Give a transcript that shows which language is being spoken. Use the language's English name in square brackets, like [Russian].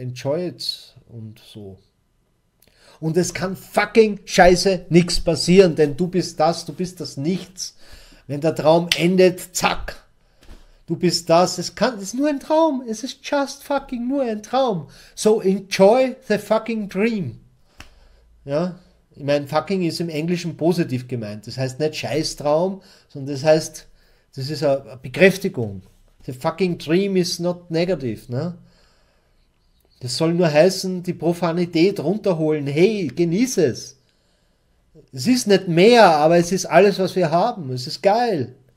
[English] Enjoy it [German] und so. Und es kann fucking scheiße nichts passieren, denn du bist das, du bist das Nichts. Wenn der Traum endet, zack. Du bist das. Es ist nur ein Traum. Es ist just fucking nur ein Traum. [English] So enjoy the fucking dream. [German] Ja, ich meine, fucking ist im Englischen positiv gemeint. Das heißt nicht Scheißtraum, sondern das heißt, das ist eine Bekräftigung. [English] The fucking dream is not negative, [German] ne? Das soll nur heißen, die Profanität runterholen. Hey, genieße es. Es ist nicht mehr, aber es ist alles, was wir haben. Es ist geil.